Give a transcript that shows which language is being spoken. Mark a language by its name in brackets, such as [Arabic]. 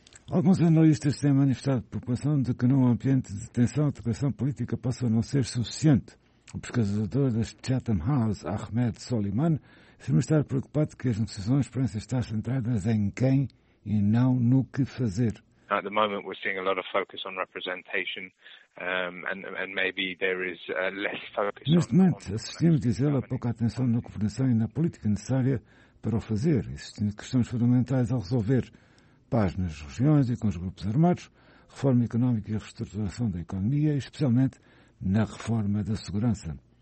[Portuguese] Alguns analistas têm manifestado preocupação de que, num ambiente de tensão, a declaração política possa não ser suficiente. O pesquisador das Chatham House, Ahmed Soliman, afirma estar preocupado que as negociações parecem estar centradas em quem e não no que fazer. [English] At the moment, we're seeing a lot of focus on representation, and maybe there is less focus. [Portuguese] Neste momento, assistimos, diz ele, a pouca atenção na governação e na política necessária para o fazer, existindo questões fundamentais a resolver. Paz nas regiões e com os grupos armados, reforma económica e reestruturação da economia, especialmente na reforma da segurança.